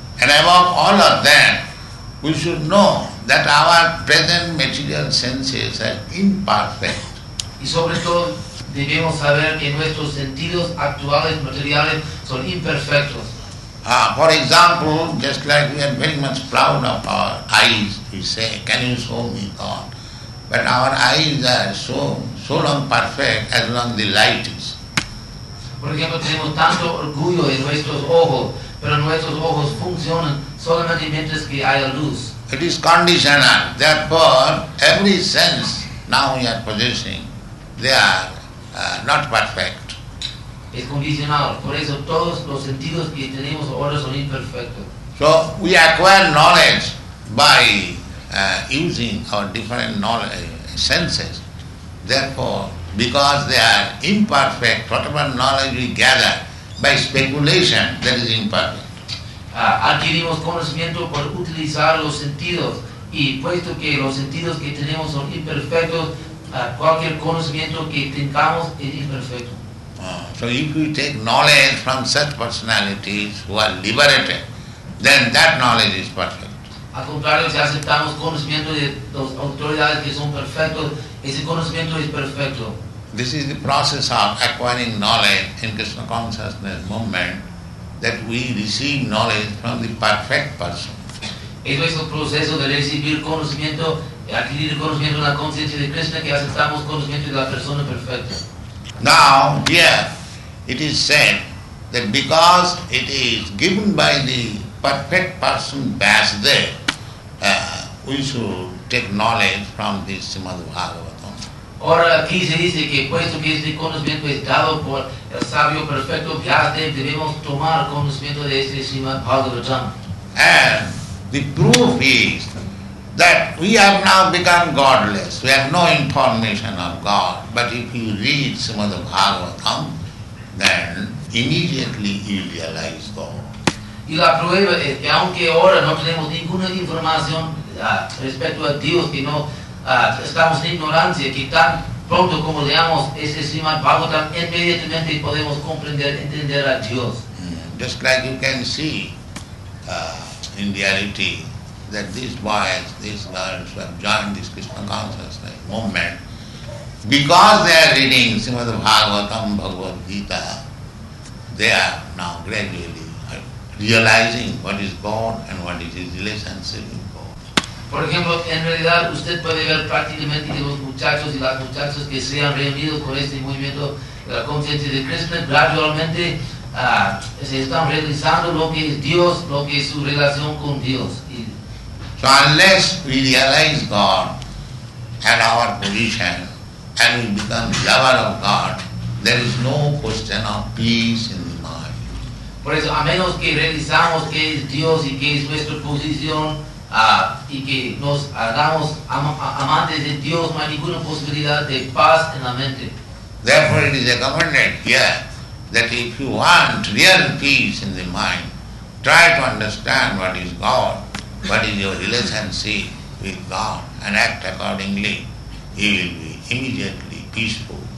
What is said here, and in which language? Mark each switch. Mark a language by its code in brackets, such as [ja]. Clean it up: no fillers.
[en] And above all of that, we should know that our present material senses are imperfect. [es] Y sobre todo, debemos saber que nuestros sentidos actuales materiales son imperfectos. [en] For example, just like we are very much proud of our eyes, we say, can you show me God? But our eyes are so long perfect as long as the light is. [es] Por ejemplo, tenemos tanto orgullo en nuestros ojos, pero nuestros ojos funcionan solamente mientras que haya luz. [en] It is conditional. Therefore, every sense now we are possessing, they are not perfect. [es] Es condicional. Por eso todos los sentidos que tenemos ahora son imperfectos. [en] So, we acquire knowledge by using our different knowledge, senses. Therefore, because they are imperfect, whatever knowledge we gather by speculation, that is imperfect. [es] Adquirimos conocimiento por utilizar los sentidos, y puesto que los sentidos que tenemos son imperfectos, cualquier conocimiento que tengamos es imperfecto. [en] So if we take knowledge from such personalities who are liberated, then that knowledge is perfect. [es] Al contrario, si aceptamos conocimiento de las autoridades que son perfectos, ese conocimiento es perfecto. [en] This is the process of acquiring knowledge in Krishna consciousness movement, that we receive knowledge from the perfect person. [es] Eso es el proceso de recibir conocimiento, adquirir conocimiento de la conciencia de Krishna, que aceptamos conocimiento de la persona perfecta. [en] Now, here, it is said that because it is given by the perfect person Vyasadeva, we should take knowledge from the Srimad Bhagavatam. [es] Ahora aquí se dice que puesto que este conocimiento es dado por el sabio perfecto Vyasadeva, debemos tomar conocimiento de este Srimad Bhagavatam. [en] And the proof is that we have now become godless. We have no information of God. But if you read Srimad Bhagavatam, then immediately you realize God. [es] Y la prueba es que aunque ahora no tenemos ninguna información respecto a Dios, que no estamos en ignorancia, que tan pronto como leamos ese Srimad Bhagavatam, inmediatamente podemos comprender, entender a Dios. [en] Just like you can see in reality, that these boys, these girls who have joined this Krishna consciousness movement, because they are reading Srimad Bhagavatam, Bhagavad Gita, they are now gradually realizing what is God and what is His relationship with God. [es] Por ejemplo, en realidad usted puede ver prácticamente que los muchachos y las muchachas que se han reunido con este movimiento de la conciencia de Krishna gradualmente se están realizando lo que es Dios, lo que es su relación con Dios. [en] So unless we realize God and our position and we become lover of God, there is no question of peace in the mind. [es] Por eso, a menos que realizamos que es Dios y que es nuestra posición y que nos hagamos amantes de Dios, no hay ninguna posibilidad de paz en la mente. [en] Therefore it is recommended here that if you want real peace in the mind, try to understand what is God. What is your relationship with God and act accordingly, he will be immediately peaceful.